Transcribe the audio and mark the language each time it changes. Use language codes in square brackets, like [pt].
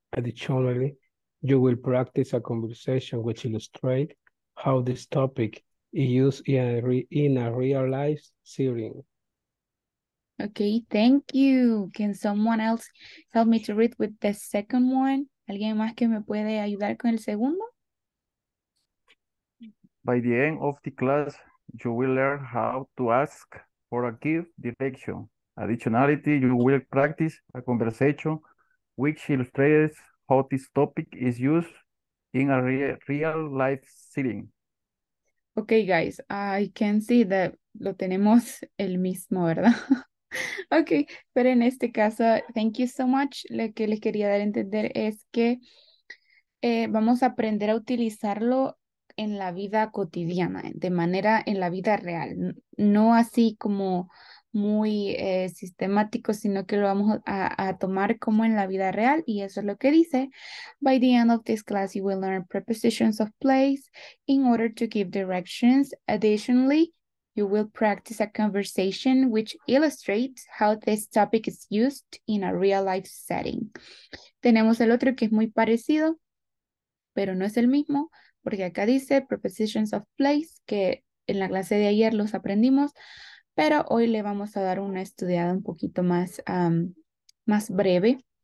[en] Additionally, you will practice a conversation which illustrates how this topic is used in a real life setting. Okay, thank you. Can someone else help me to read with the second one? [es] ¿Alguien más que me puede ayudar con el segundo? [en] By the end of the class, you will learn how to ask for a give direction. Additionally, you will practice a conversation which illustrates how this topic is used in a real life setting. Okay, guys, I can see that [es] lo tenemos el mismo, ¿verdad? [en] Okay, [es] pero en este caso, [en] thank you so much. [es] Lo que les quería dar a entender es que vamos a aprender a utilizarlo en la vida cotidiana, de manera en la vida real, no así como muy sistemático, sino que lo vamos a tomar como en la vida real, y eso es lo que dice. [en] By the end of this class, you will learn prepositions of place in order to give directions. Additionally, you will practice a conversation which illustrates how this topic is used in a real life setting. [es] Tenemos el otro que es muy parecido, pero no es el mismo, porque acá dice prepositions of place, que en la clase de ayer los aprendimos, pero hoy le vamos a dar una estudiada un poquito más, más breve.